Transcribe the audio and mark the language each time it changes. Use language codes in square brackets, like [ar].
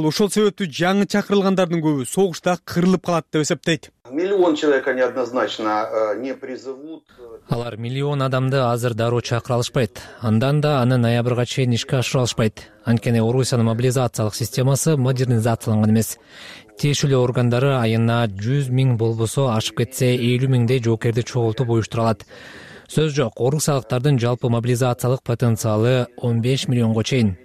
[ky] Ал ошол себептүү жаңы чакырылгандардын көбү согушта кырылып калат деп эсептейт. [ru] Миллион человек они однозначно не призовут. [ky] Алар миллион адамды азыр дароо чакыра алышпайт. Андан да аны ноябрга чейин ишке ашыра алышпайт. Анткени Орусиянын мобилизациялык системасы модернизацияланган эмес. Тиешелүү органдары айына 100,000 болбосо ашып кетсе 50,000 жоокерди чогултуп уюштура алат. Сөз жок, орус халыктардын жалпы мобилизациялык потенциалы 15,000,000 чейин.